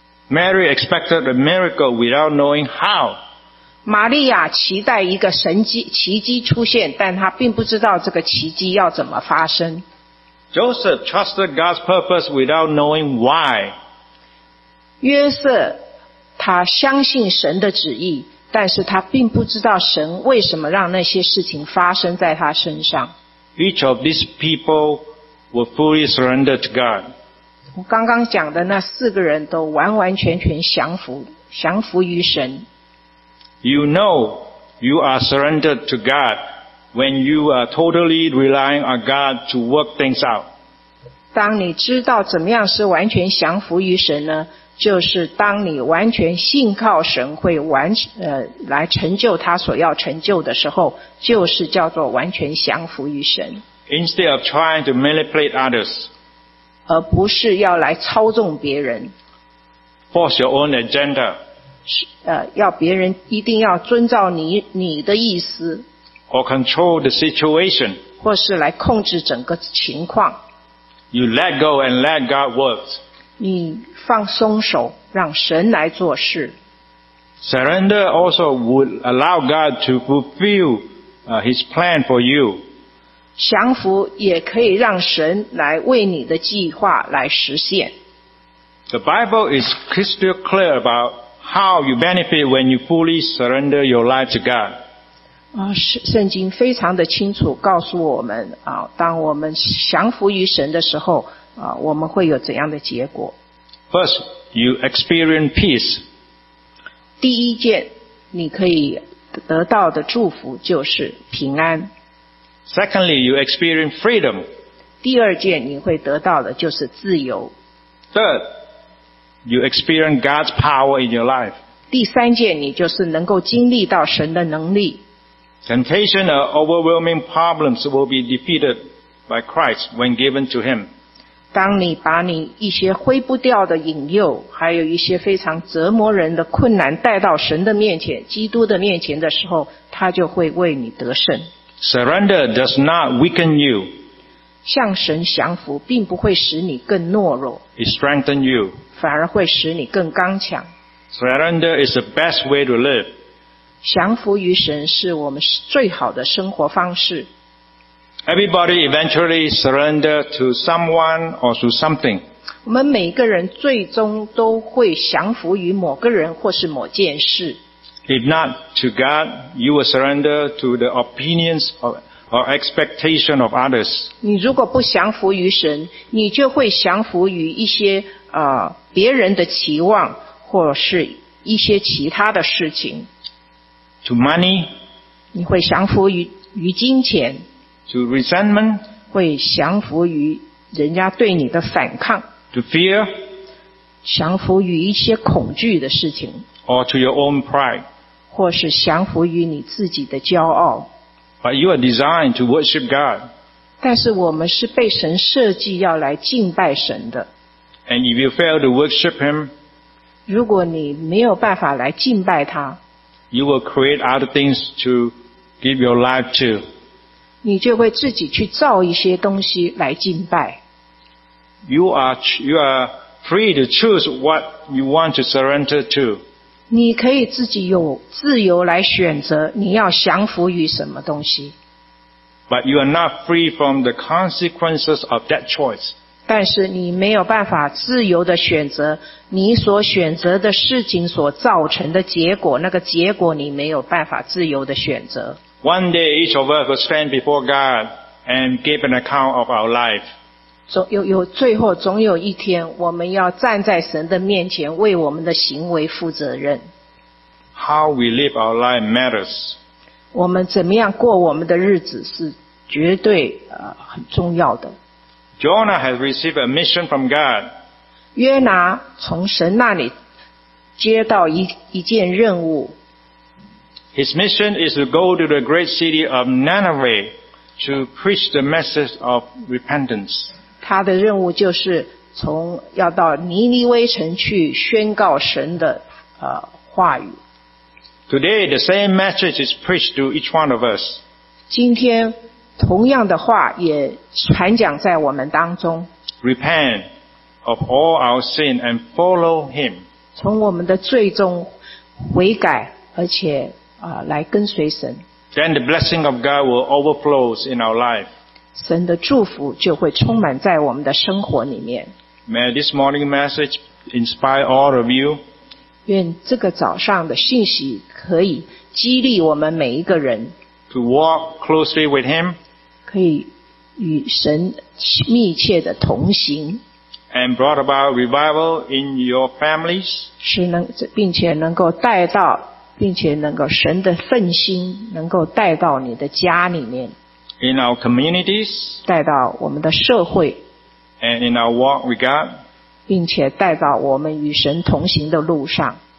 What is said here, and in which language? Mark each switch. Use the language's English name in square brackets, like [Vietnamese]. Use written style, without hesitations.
[English] Mary expected a miracle without knowing how. [Chinese] 玛利亚期待一个神迹奇迹出现，但她并不知道这个奇迹要怎么发生。 [English] Joseph trusted God's purpose without knowing why. [Chinese] 约瑟他相信神的旨意，但是他并不知道神为什么让那些事情发生在他身上。 [English] Each of these peoplewere fully surrendered to God. [Chinese] 我刚刚讲的那四个人都完完全全降服于神。 [English] You know you are surrendered to God when you are totally relying on God to work things out. [Chinese] 当你知道怎么样是完全降服于神呢？就是当你完全信靠神会来成就他所要成就的时候，就是叫做完全降服于神。 [English] Instead of trying to manipulate others, [Chinese] 而不是要来操纵别人 [English] force your own agenda, [Chinese] 要别人一定要遵照 你的意思 [English] or control the situation, [Chinese] 或是来控制整个情况 [English] you let go and let God work, [Chinese] 你放松手让神来做事 [English] surrender also would allow God to fulfill his plan for you, [Chinese] 降服也可以让神来为你的计划来实现。 [English] The Bible is crystal clear about how you benefit when you fully surrender your life to God. [Chinese] 圣经非常的清楚告诉我们当我们降服于神的时候我们会有怎样的结果。 [English] First, you experience peace. [Chinese] 第一件你可以得到的祝福就是平安。 [English] Secondly, you experience freedom. [Chinese] 第二件你会得到的就是自由。 [English] Third, you experience God's power in your life. [Chinese] 第三件你就是能够经历到神的能力。 [English] Temptation or overwhelming problems will be defeated by Christ when given to Him. [Chinese] 当你把你一些挥不掉的引诱，还有一些非常折磨人的困难带到神的面前，基督的面前的时候，他就会为你得胜。 [English] Surrender does not weaken you. [Chinese] 向神降服并不会使你更懦弱。 [English] It strengthens you. [Chinese] 反而会使你更刚强。 [English] Surrender is the best way to live. [Chinese] 降服于神是我们最好的生活方式。 [English] Everybody eventually surrender to someone or to something. [Chinese] 我们每个人最终都会降服于某个人或是某件事。 [English] If not to God, you will surrender to the opinions or expectation of others. [Chinese] 你如果不降服于神，你就会降服于一些别人的期望或是一些其他的事情。 [English] To money, [Chinese] 你会降服于金钱。 [English] To resentment, [Chinese] 会降服于人家对你的反抗。 [English] To fear, [Chinese] 降服于一些恐惧的事情。 [English] Or to your own pride, [Chinese] 或是降服于你自己的骄傲。 [English] But you are designed to worship God. [Chinese] 但是我们是被神设计要来敬拜神的。 [English] And if you fail to worship Him, [Chinese] 如果你没有办法来敬拜他， [English] you will create other things to give your life to. [Chinese] 你就会自己去造一些东西来敬拜。 [English] You are free to choose what you want to surrender to. [Chinese] 你可以自己有自由来选择你要降服于什么东西。 [English] But you are not free from the consequences of that choice. [Chinese] 但是你没有办法自由的选择你所选择的事情所造成的结果，那个结果你没有办法自由的选择。 [English] One day each of us will stand before God and give an account of our life. [Chinese] 最后总有一天我们要站在神的面前为我们的行为负责任。 [English] How we live our life matters. [Chinese] 我们怎么样过我们的日子是绝对很重要的。 [English] Jonah has received a mission from God. [Chinese] 约拿从神那里接到一件任务。 [English] His mission is to go to the great city of Nineveh to preach the message of repentance. [Chinese] 他的任务就是从要到尼尼微城去宣告神的话语。 [English] Today the same message is preached to each one of us. [Chinese] 今天同样的话也传讲在我们当中。 [English] Repent of all our sin and follow him. [Chinese] 从我们的罪中悔改而且来跟随神。 [English] Then the blessing of God will overflow in our life. [Chinese] 神的祝福就会充满在我们的生活里面。 [English] May this morning message inspire all of you. [Chinese] 愿这个早上的信息可以激励我们每一个人。 [English] To walk closely with him. [Chinese] 可以与神密切的同行。 [English] And brought about revival in your families. [Chinese] 并且能够神的奋心能够带到你的家里面。 [English] In our communities, [Chinese] 带到我们的社会 [English] and in our walk with God, [Chinese] 并且带到我们与神同行的路上